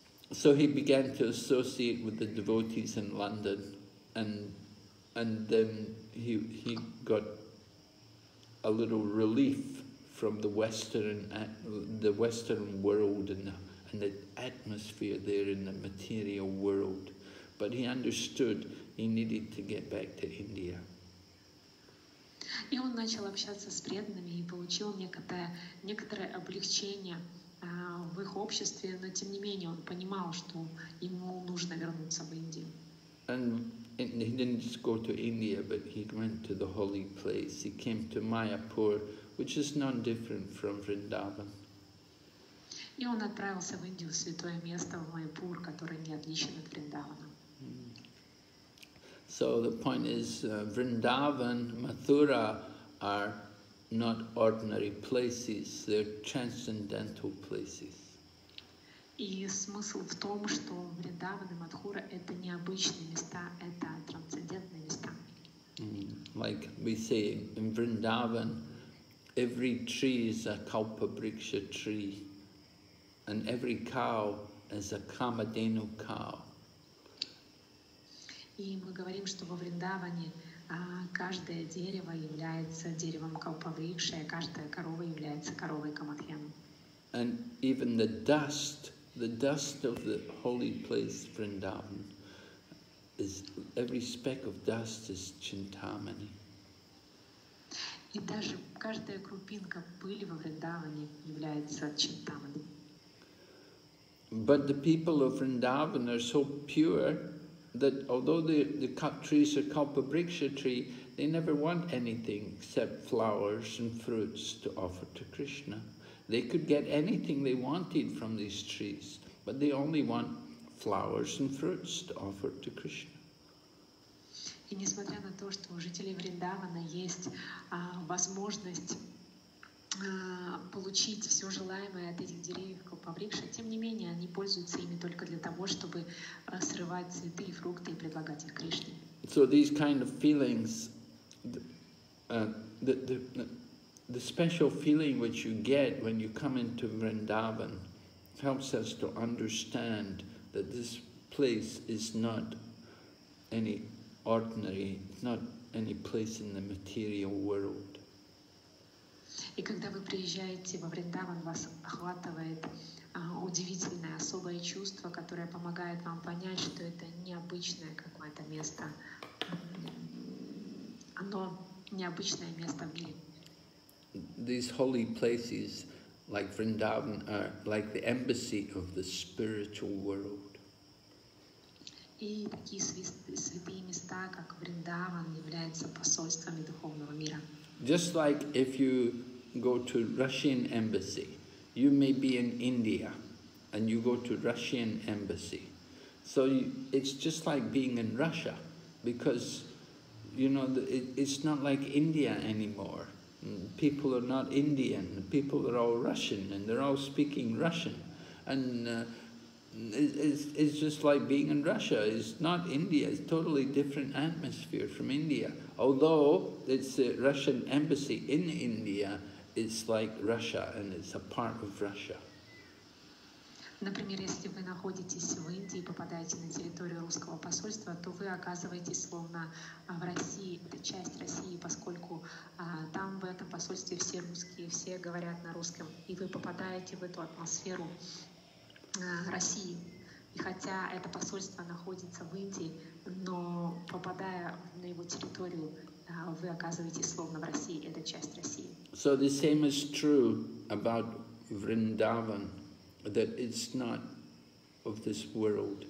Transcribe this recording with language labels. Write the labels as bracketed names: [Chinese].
[English] So he began to associate with the devotees in London, and then he got a little relief from the Western world and the atmosphere there in the material world. But he understood he needed to get back to India. [Russian] И он начал общаться с преданными и получил некоторое облегчение в их обществе, но тем не менее он понимал, что ему нужно вернуться в Индию. [English] And he didn't just go to India, but he went to the holy place. He came to Mayapur, which is not different from Vrindavan. [Russian] И он отправился в Индию, в святое место в Майяпур, которое не отличено от Вриндавана. [English] So the point is, Vrindavan, Mathura are not ordinary places, they're transcendental places. [Russian] И смысл в том, что Вриндаван и Мадхура — это не обычные места, это трансцендентные места. [English] Like we say, in Vrindavan, every tree is a Kalpavriksha tree, and every cow is a Kamadhenu cow. [Russian] И мы говорим, что во Вриндаване каждое дерево является деревом Калпавриксы, каждая корова является коровой Камадхьямы. [English] And even the dust of the holy place, Vrindavan, is every speck of dust is Chintamani. [Russian] И даже каждая крупинка пыли во Вриндаване является Чинтамани. [English] But the people of Vrindavan are so pure that although the trees are Kalpavriksha tree, they never want anything except flowers and fruits to offer to Krishna. They could get anything they wanted from these trees, but they only want flowers and fruits to offer to Krishna. [Russian] И несмотря на то, что у жителей Вриндавана есть возможность получить все желаемое от этих деревьев Калпавриксы, тем не менее они пользуются ими только для того, чтобы срывать цветы и фрукты и предлагать их Кришне. [English] So these kind of feelings, the special feeling which you get when you come into Vrindavan helps us to understand that this place is not any ordinary, not any place in the material world. [Russian] И когда вы приезжаете во Вриндаван, вас охватывает удивительное особое чувство, которое помогает вам понять, что это необычное какое-то место. Оно необычное место в мире. [English] These holy places, like Vrindavan, are like the embassy of the spiritual world. [Russian] И такие святые места, как Вриндаван, являются посольствами духовного мира. [English] Just like if you go to Russian embassy, you may be in India, and you go to Russian embassy. So it's just like being in Russia, because, you know, it's not like India anymore. People are not Indian. People are all Russian, and they're all speaking Russian. And it's just like being in Russia. It's not India. It's totally different atmosphere from India. Although it's a Russian embassy in India, it's like Russia and it's a part of Russia. [Russian] Например, если вы находитесь в Индии и попадаете на территорию русского посольства, то вы оказываетесь словно в России, это часть России, поскольку там в этом посольстве все русские, все говорят на русском, и вы попадаете в эту атмосферу России. И хотя это посольство находится в Индии, но попадая на его территорию, вы оказываетесь словно в России, это часть России. [English] So the same is true about Vrindavan, that it's not of this world.